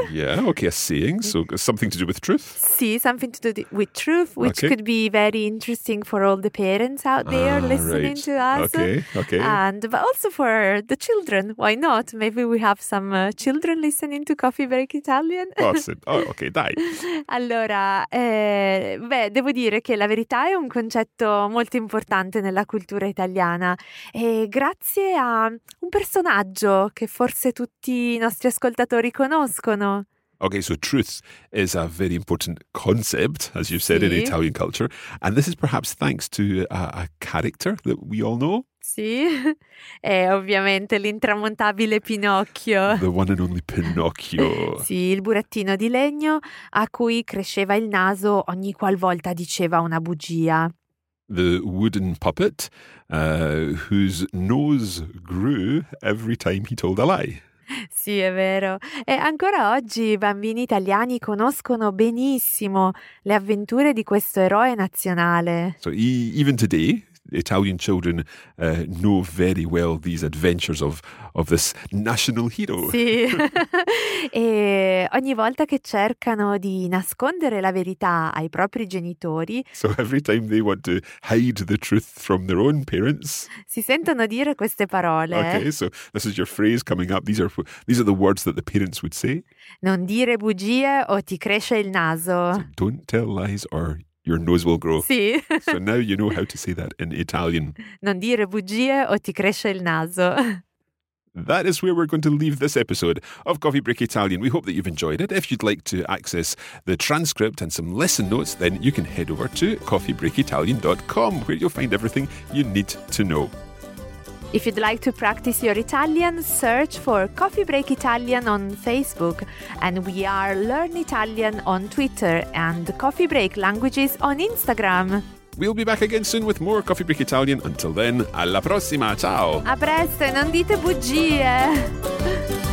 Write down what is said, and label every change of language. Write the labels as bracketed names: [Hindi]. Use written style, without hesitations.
[English] Yeah, okay, a saying, so something to do with truth. Sì, something to do with truth, which could be very interesting for all the parents out there listening to us. Okay. But also for the children, why not? Maybe we have some children listening to Coffee Break Italian. Awesome. Oh, okay, dai. [Italian] Allora, devo dire che la verità è un concetto molto importante nella cultura italiana e grazie a un personaggio che forse tutti i nostri ascoltatori conoscono. [English] Okay, so truth is a very important concept, as you've said, in Italian culture. And this is perhaps thanks to a character that we all know. [Italian] Sì, è ovviamente l'intramontabile Pinocchio. [English] The one and only Pinocchio. [Italian] Sì, il burattino di legno a cui cresceva il naso ogni qualvolta diceva una bugia. [English] The wooden puppet whose nose grew every time he told a lie. [Italian] Sì, è vero. E ancora oggi i bambini italiani conoscono benissimo le avventure di questo eroe nazionale. [English] So, even today, Italian children know very well these adventures of this national hero. [Italian] Sì. E ogni volta che cercano di nascondere la verità ai propri genitori, [English] so every time they want to hide the truth from their own parents, [Italian] si sentono dire queste parole. [English] Okay, so this is your phrase coming up. These are the words that the parents would say. [Italian] Non dire bugie o ti cresce il naso. [English] So don't tell lies or your nose will grow. [Italian] Sì. [English] So now you know how to say that in Italian. [Italian] Non dire bugie o ti cresce il naso. [English] That is where we're going to leave this episode of Coffee Break Italian. We hope that you've enjoyed it. If you'd like to access the transcript and some lesson notes, then you can head over to coffeebreakitalian.com, where you'll find everything you need to know. If you'd like to practice your Italian, search for Coffee Break Italian on Facebook, and we are Learn Italian on Twitter and Coffee Break Languages on Instagram. We'll be back again soon with more Coffee Break Italian. Until then, [Italian] alla prossima, ciao! A presto, e non dite bugie!